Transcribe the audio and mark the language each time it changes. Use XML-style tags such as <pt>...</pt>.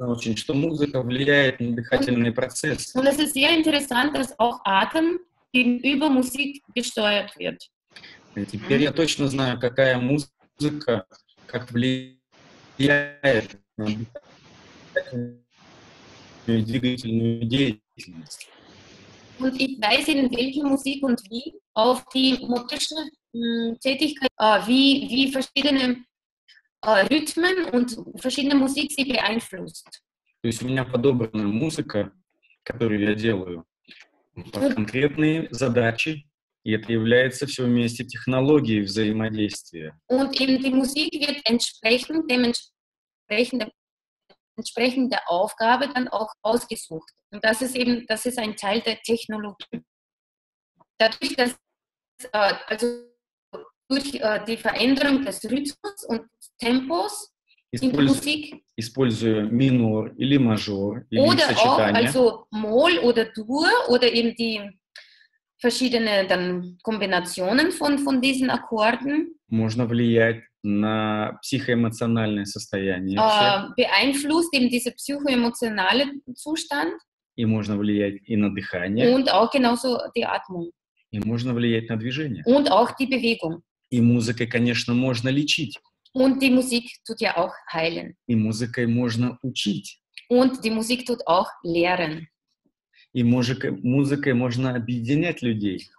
<de>Und es ist sehr interessant, dass auch Atem gegenüber Musik gesteuert wird.</de> <ru>Теперь я точно знаю, какая музыка как влияет на двигательную деятельность.</ru> <de>Und ich weiß, in welche Musik und wie auf die motorische Tätigkeit, wie verschiedene Rhythmen und verschiedene Musik sie beeinflusst.</de> <ru>То есть у меня подобрана музыка, которую я делаю под конкретные задачи. И это является все вместе технологией взаимодействия.</ru> <de>Und eben die Musik wird entsprechend dementsprechende Aufgabe dann auch ausgesucht. Und das ist eben, das ist ein Teil der Technologie. Dadurch, dass also durch die Veränderung des Rhythmus und Tempos in der Musik</de> <ru>используя минор или мажор или</ru> <de>oder</de> <ru>Сочетание.</ru> <de>Auch also Moll oder Dur oder eben die verschiedene dann Kombinationen von diesen Akkorden</de> <ru>можно влиять на психоэмоциональное состояние</ru> <de>beeinflusst eben diesen psychoemotionalen Zustand</de> <ru>и можно влиять и на дыхание</ru> <de>und auch genauso die Atmung</de> <ru>и можно влиять на движение</ru> <de>und auch die Bewegung</de> <ru>и музыкой конечно можно лечить</ru> <de>und die Musik tut ja auch heilen</de> <ru>и музыкой можно учить</ru> <de>und die Musik tut auch lehren.</de> <ru>И музыкой можно объединять людей.</ru>